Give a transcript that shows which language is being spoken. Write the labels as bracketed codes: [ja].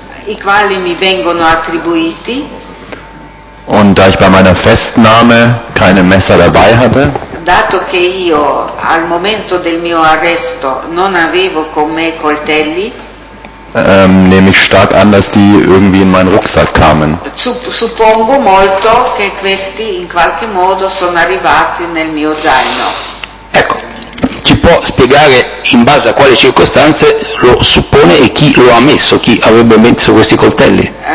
[it] I quali mi vengono attribuiti. [de] Und da ich bei meiner Festnahme keine Messer dabei hatte. [it] Dato che io al momento del mio arresto non avevo con me coltelli. [de] Nehme ich stark an, dass die irgendwie in meinen Rucksack kamen. [it] Suppongo molto che questi in qualche modo sono arrivati nel mio zaino. Ecco, ci può spiegare in base a quali circostanze lo suppone e chi lo ha messo, chi avrebbe messo questi coltelli?